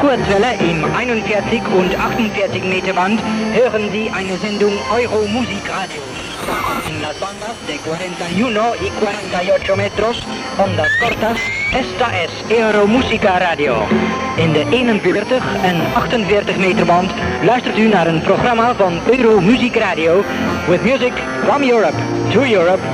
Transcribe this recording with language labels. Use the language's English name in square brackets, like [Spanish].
[German] Welle im 41 und 48 Meter Band hören Sie eine Sendung Euromusik Radio. [Spanish] En las bandas de 41 y 48 metros, ondas cortas, esta es Euromusica Radio. [Dutch] In de 41 en 48 meter band luistert u naar een programma van Euromusic Radio [English] with music from Europe to Europe.